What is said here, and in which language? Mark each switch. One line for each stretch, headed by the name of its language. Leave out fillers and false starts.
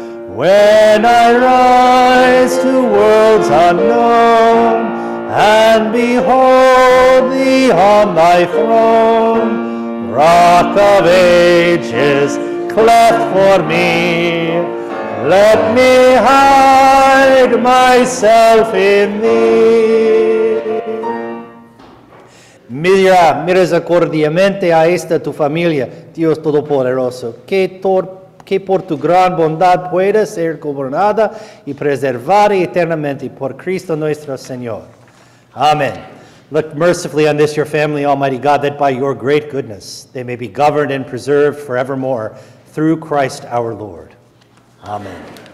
English: when I rise to worlds unknown and behold thee on thy throne, Rock of Ages, cleft for me, let me hide myself in thee.
Spanish: Mira, misericordiamente a esta tu familia, Dios Todopoderoso, que por tu gran bondad puede ser gobernada y preservada eternamente por Cristo nuestro Señor. Amen.
English: Look mercifully on this, your family, Almighty God, that by your great goodness they may be governed and preserved forevermore through Christ our Lord. Amen.